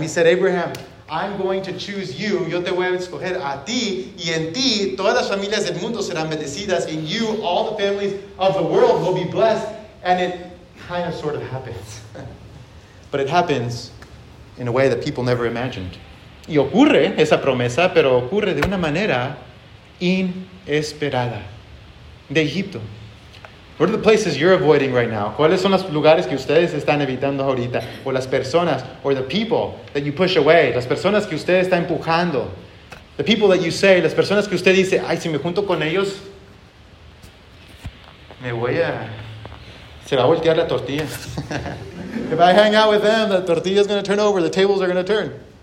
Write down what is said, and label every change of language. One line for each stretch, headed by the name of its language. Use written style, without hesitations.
English: He said, Abraham, I'm going to choose you.
Spanish: Yo te voy a escoger a ti. Y en ti, todas las familias del mundo serán bendecidas.
English: In you, all the families of the world will be blessed. And it kind of sort of happens. But it happens in a way that people never imagined.
Spanish: Y ocurre esa promesa, pero ocurre de una manera inesperada. De Egipto.
English: What are the places you're avoiding right now?
Spanish: ¿Cuáles son los lugares que ustedes están evitando ahorita? O las personas,
English: or the people that you push away.
Spanish: Las personas que usted está empujando.
English: The people that you say,
Spanish: las personas que usted dice, ay, si me junto con ellos, me voy a... Se va a voltear la tortilla.
English: If I hang out with them, the tortilla is going to turn over, the tables are going to turn.